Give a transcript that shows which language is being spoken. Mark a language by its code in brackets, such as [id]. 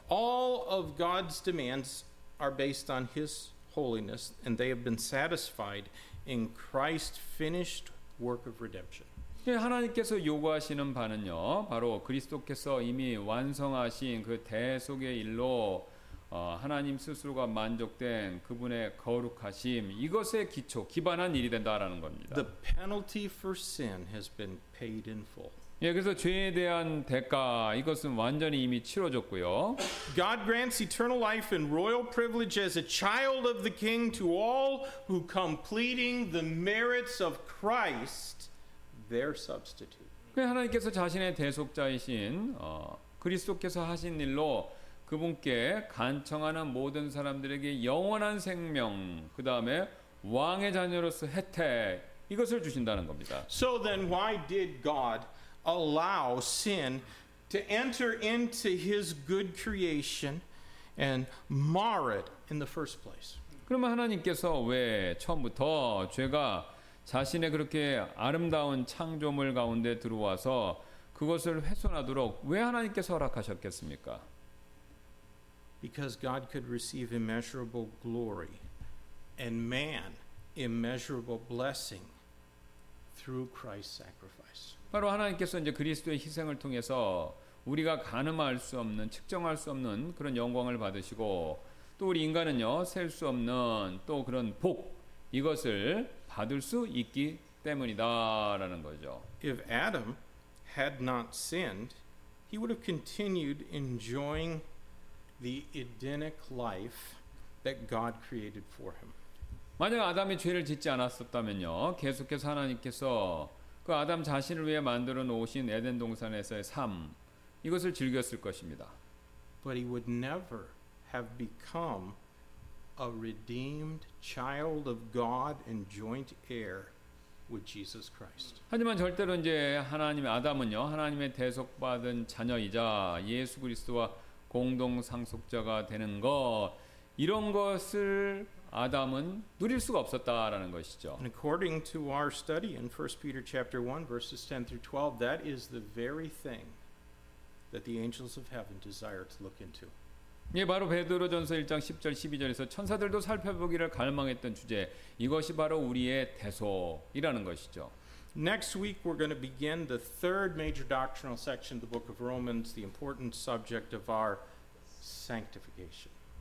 [en] All of God's demands are based on His holiness, and they have been satisfied in Christ's finished work of redemption. [ko] 예, 하나님께서 요구하시는 바는요, 바로 그리스도께서 이미 완성하신 그 대속의 일로 하나님 스스로가 만족된 그분의 거룩하심 이것의 기초 기반한 일이 된다라는 겁니다. [en] The penalty for sin has been paid in full. [ko] 예, 그래서 죄에 대한 대가 이것은 완전히 이미 치러졌고요. [en] God grants eternal life and royal privilege as a child of the King to all who completing the merits of Christ their substitute. [ko] 하나님께서 자신의 대속자이신 그리스도께서 하신 일로 그분께 간청하는 모든 사람들에게 영원한 생명, 그 다음에 왕의 자녀로서 혜택 이것을 주신다는 겁니다. [en] So then, why did God allow sin to enter into His good creation and mar it in the first place? [ko] 그러면 하나님께서 왜 처음부터 죄가 자신의 그렇게 아름다운 창조물 가운데 들어와서 그것을 훼손하도록 왜 하나님께서 허락하셨겠습니까? [en] Because God could receive immeasurable glory and man immeasurable blessing through Christ's sacrifice. [ko] 바로 하나님께서 이제 그리스도의 희생을 통해서 우리가 가늠할 수 없는 측정할 수 없는 그런 영광을 받으시고 또 우리 인간은요 셀 수 없는 또 그런 복 이것을 받을 수 있기 때문이다라는 거죠. [en] If Adam had not sinned, he would have continued enjoying the Edenic life that God created for him. [ko] 만약 아담이 죄를 짓지 않았었다면요, 계속해서 하나님께서 그 아담 자신을 위해 만들어 놓으신 에덴 동산에서의 삶 이것을 즐겼을 것입니다. [en] But he would never have become a redeemed child of God and joint heir with Jesus Christ. [ko] 하지만 절대로 이제 하나님의 아담은요, 하나님의 대속받은 자녀이자 예수 그리스도와 공동 상속자가 되는 것 이런 것을 아담은 누릴 수가 없었다라는 것이죠. [en] And according to our study in 1 Peter chapter 1 verses 10 through 12 that is the very thing that the angels of heaven desire to look into. [ko] 예, 바로 베드로전서 1장 10절 12절에서 천사들도 살펴보기를 갈망했던 주제 이것이 바로 우리의 대속이라는 것이죠. [en] Next week we're going to begin the third major doctrinal section of the book of Romans, the important subject of our sanctification.